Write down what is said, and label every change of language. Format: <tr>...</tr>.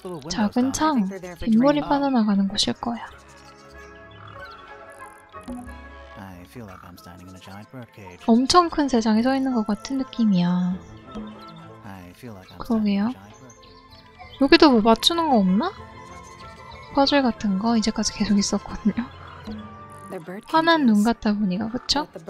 <ko>작은 창, 빗물이 빠져나가는 곳일 거야.</ko> <en>I feel like I'm standing in a giant birdcage.</en> <ko>엄청 큰 새장에 서 있는 것 같은 느낌이야. 그러게요. 여기도 뭐 맞추는 거 없나? 퍼즐 같은 거 이제까지 계속 있었거든요. 화난 눈 같다 보니까, 그쵸?</ko>